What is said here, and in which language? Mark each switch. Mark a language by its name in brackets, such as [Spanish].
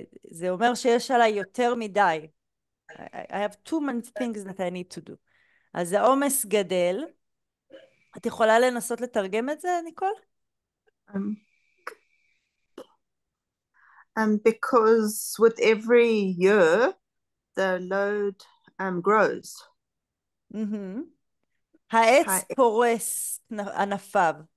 [Hebrew] זה אומר שיש עליי יותר מדי. [English] I have too many things that I need to do. [Hebrew] אז העומס גדל. את יכולה לנסות לתרגם את זה, ניקול? [English] Because with every year, the load grows. [Hebrew] העץ פורס ענפיו.